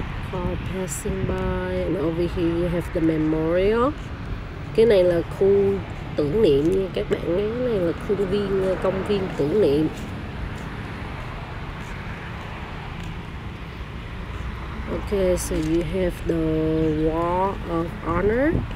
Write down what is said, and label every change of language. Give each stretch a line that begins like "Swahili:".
English: For passing by, and over here you have the memorial.
Vietnamese: Cái này là khu tưởng niệm nha các bạn nhé, cái này là khu viên công viên tưởng niệm.
English: Okay, so you have the Wall of Honor.